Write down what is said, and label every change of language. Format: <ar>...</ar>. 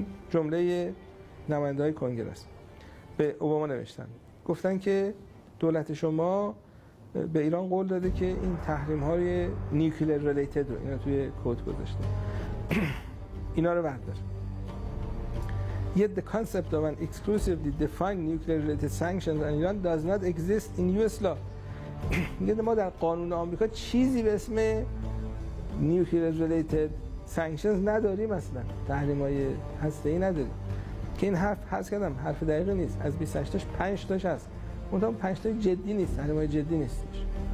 <fa>جمله نماینده های کنگره است. به اوباما نوشتن، گفتن که دولت شما به ایران قول داده که این تحریم های</fa> <en>nuclear related</en> <fa>رو، اینا توی کد گذاشته، اینا رو بردار.</fa> <en>Yet the concept of an exclusively defined nuclear related sanctions on Iran does not exist in US law.</en> <fa>یعنی ما در قانون آمریکا چیزی به اسم</fa> <en>nuclear related sanctions</en> <fa>نداریم، اصلا تحریم های هسته‌ای نداریم. که این حرف هست کردم حرف دقیقی نیست، از 28 تاش 5 تاش هست، منتها 5 تاش جدی نیست، تحریم های جدی نیستش.</fa>